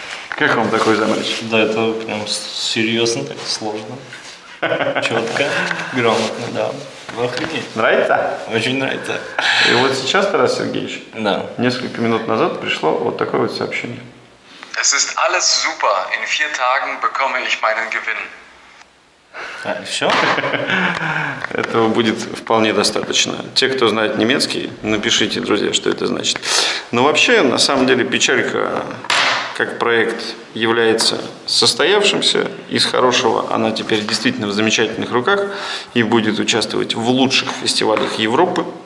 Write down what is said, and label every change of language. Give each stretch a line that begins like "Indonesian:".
Russian: Как вам такой замыч? Да, это прям серьезно, так сложно. Четко, грамотно, да. Вы охренеть. Нравится? Очень нравится. И вот сейчас, Тарас Сергеевич, да. Несколько минут назад пришло вот такое вот сообщение.
German: Es ist alles super. In 4 Tagen bekomme ich meinen Gewinn.
Russian: А, все? Этого будет вполне достаточно. Те, кто знает немецкий, напишите, друзья, что это значит. Но вообще, на самом деле, печалька как проект является состоявшимся. Из хорошего она теперь действительно в замечательных руках и будет участвовать в лучших фестивалях Европы.